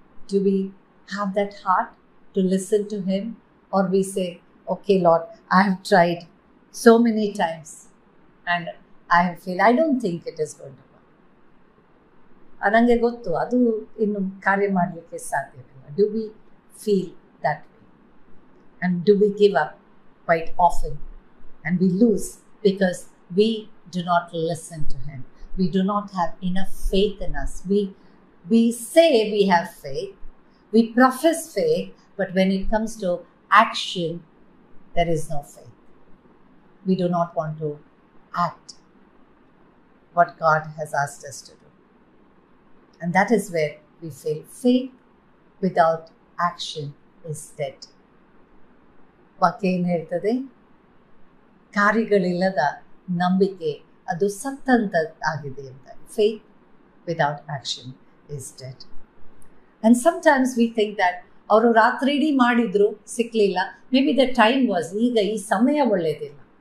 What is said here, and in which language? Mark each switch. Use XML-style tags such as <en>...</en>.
<en>To we have that heart to listen to him, or we say okay Lord I have tried so many times and I have failed, I don't think it is going to work.</en> <kn>Anange gottu adu innu karya madlikke sadhyavilla.</kn> <en>Do we feel that way and do we give up quite often and we lose because we do not listen to him, we do not have enough faith in us. We say we have faith, We profess faith, but when it comes to action, there is no faith. We do not want to act what God has asked us to do. And that is where we fail. Faith without action is dead.</en> <kn>ವಾಕ್ಯ ಏನು ಹೇಳ್ತದೆ? ಕಾರ್ಯಗಳಿಲ್ಲದ ನಂಬಿಕೆ ಅದು ಸತ್ತಂತ ಆಗಿದೆ ಅಂತ.</kn> <en>Faith without action is dead. And sometimes we think that</en> <kn>ಅವರು ರಾತ್ರಿಡಿ ಮಾಡಿದ್ರು ಸಿಕ್ಕಲಿಲ್ಲ,</kn> <en>maybe the time was,</en> <kn>ಈಗ ಈ ಸಮಯ ಒಳ್ಳೆಯದಿಲ್ಲ.</kn>